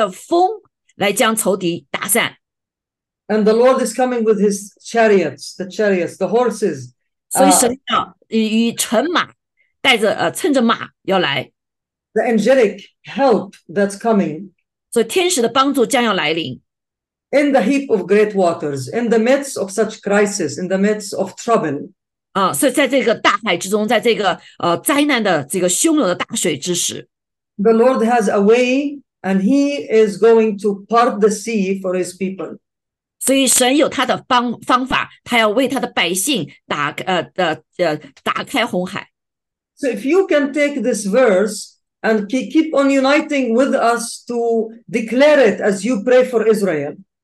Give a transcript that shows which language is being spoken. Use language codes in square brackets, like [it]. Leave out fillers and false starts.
[zh] 所以他要借着他的风来将仇敌打散。 [en] And the Lord is coming with his chariots, the horses. [zh] 所以神要以乘马，带着趁着马要来。 [en] The angelic help that's coming. [zh] 所以天使的帮助将要来临。 [en] In the heap of great waters, in the midst of such crisis, in the midst of trouble. [zh] 所以在这个大海之中，在这个灾难的这个汹涌的大水之时。 [en] The Lord has a way, and he is going to part the sea for his people. [zh] 所以神有他的方法，他要为他的百姓打开红海。 [en] So if you can take this verse and keep on uniting with us to declare it as you pray for Israel.